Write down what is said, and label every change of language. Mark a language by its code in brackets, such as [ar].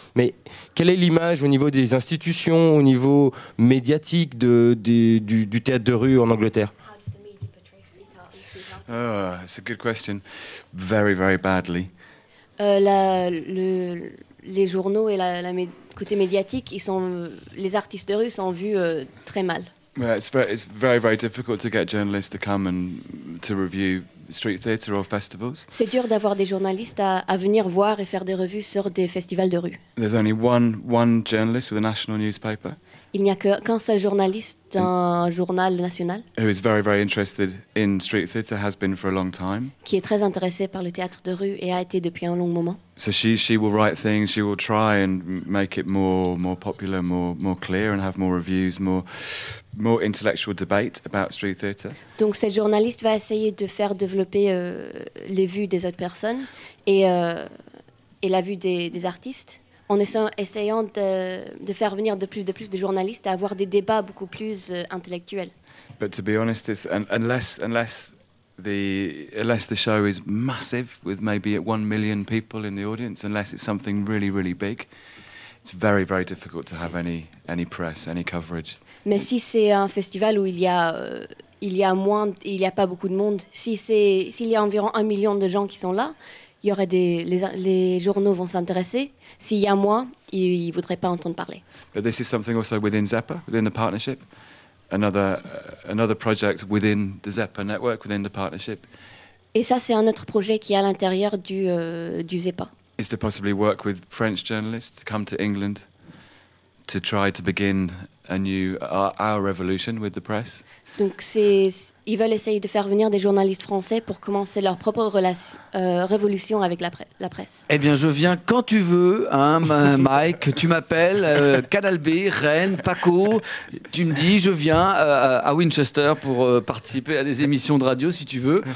[fr] Mais quelle est l'image au niveau des institutions, au niveau médiatique du théâtre de rue en Angleterre? [en] It's a good question. Very very badly. [fr] Les journaux et côté médiatique, les artistes de rue sont vus très mal. [en] Yeah, it's very very difficult to get journalists to come and to review street theatre or festivals. [fr] C'est dur d'avoir des journalistes à venir voir et faire des revues sur des festivals de rue. [en] There's only one journalist with a national newspaper. [fr] Il n'y a qu'un seul journaliste d'un journal national. [en] Who is very very interested in street theatre, has been for a long time. [fr] Qui est très intéressé par le théâtre de rue et a été depuis un long moment. [en] So she will write things, she will try and make it more popular, more clear and have more reviews, more intellectual debate about street theatre. [fr] Donc cette journaliste va essayer de faire développer les vues des autres personnes et la vue des artistes. En essayant de faire venir de plus de journalistes à avoir des débats beaucoup plus intellectuels. [en] But to be honest, unless the show is massive with maybe 1 million people in the audience, unless it's something really really big, it's very very difficult to have any press, any coverage. [fr] Mais si c'est un festival où il y a pas beaucoup de monde, s'il y a environ 1 million de gens qui sont là. Il y aurait les journaux vont s'intéresser. S'il y a moi, ils voudraient pas entendre parler. [en] But this is something also within ZEPA, within the partnership, another project within the ZEPA network, within the partnership. [fr] Et ça, c'est un autre projet qui est à l'intérieur du ZEPA. [en] Is to possibly work with French journalists to come to England to try to begin and you are our revolution with the press. [fr] Donc ils veulent essayer de faire venir des journalistes français pour commencer leur propre révolution avec la presse. Eh bien, je viens quand tu veux, hein, Mike, tu m'appelles, Canal B, Rennes, Paco, tu me dis, je viens à Winchester pour participer à des émissions de radio, si tu veux.